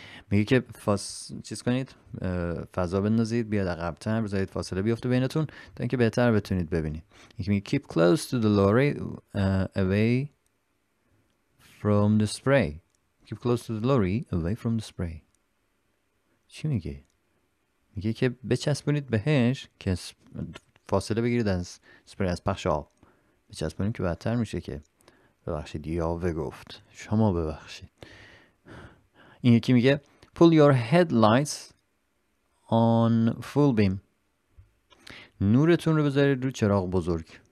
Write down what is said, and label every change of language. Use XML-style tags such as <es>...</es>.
<fa>میگه که چیز کنید، فضا بندازید، بیاد عقب‌تر، بذارید فاصله بیفته بینتون تا اینکه بهتر بتونید ببینید. میگه</fa> <en>keep close to the lorry away from the spray. Keep close to the lorry away from the spray.</en> <fa>چی میگه؟ میگه که بچسبونید بهش که فاصله بگیرید از سپری، از پخش آب بچسبونید که بدتر میشه. که ببخشید یاوه گفت، شما ببخشید. این یکی میگه</fa> <en>pull your headlights on full beam،</en> <fa>نورتون رو بذارید رو چراغ بزرگ.</fa>